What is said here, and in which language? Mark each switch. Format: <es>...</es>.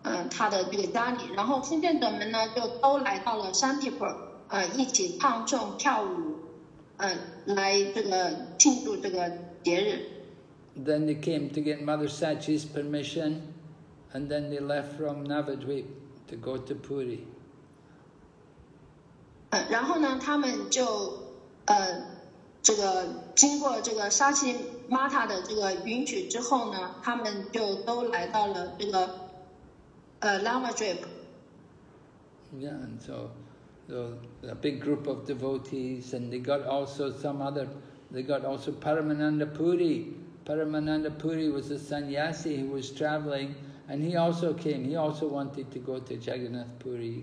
<zh>他的这个家里，然后奉献者们呢就都来到了山地坡，一起唱诵跳舞，来这个庆祝这个节日。</zh> <en>Then they came to get Mother Sachi's permission, and then they left from Navadvip to go to Puri.</en> <zh>然后呢，他们就这个经过这个沙琪玛塔的这个允许之后呢，他们就都来到了这个。</zh> <en>Yeah, and so a big group of devotees, and they got also some other, they got also Paramananda Puri. Paramananda Puri was a sannyasi who was traveling, and he also came. He also wanted to go to Jagannath Puri.</en>